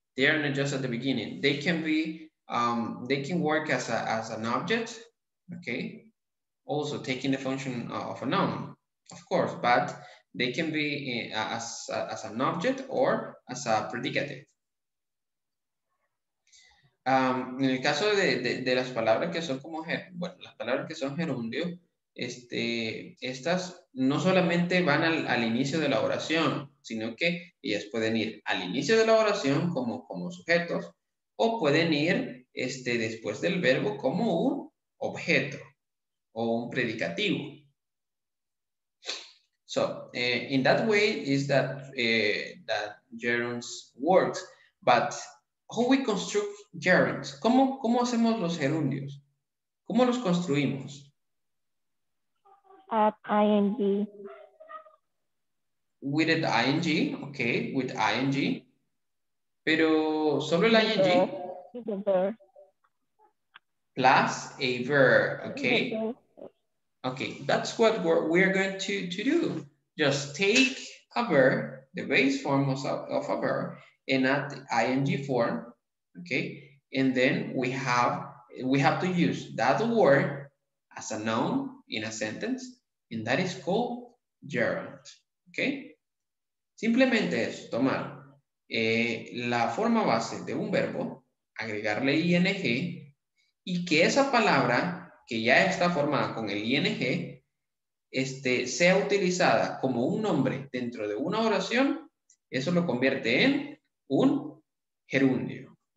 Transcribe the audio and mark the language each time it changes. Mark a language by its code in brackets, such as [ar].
[en] They are not just at the beginning. They can be, they can work as an object, okay? Also taking the function of a noun. Of course, but they can be as an object or as a predicative. [es] En el caso de las palabras que son como las palabras que son gerundio, estas no solamente van al inicio de la oración, sino que ellas pueden ir al inicio de la oración como sujetos, o pueden ir después del verbo como un objeto o un predicativo. [en] So, in that way is that that gerunds works, but how we construct gerunds? [es] ¿Cómo hacemos los gerundios? ¿Cómo los construimos? [en] At ing. With an ing, okay, with ing. [es] Pero solo el ing. [en] Plus a verb, okay. Okay, that's what we're going to do. Just take a verb, the base form of a verb, and add the ing form, okay? And then we have to use that word as a noun in a sentence, and that is called gerund, okay? [es] Simplemente es tomar la forma base de un verbo, agregarle ing, y que esa palabra que ya está formada con el ing, sea utilizada como un nombre dentro de una oración, eso lo convierte en un gerundio.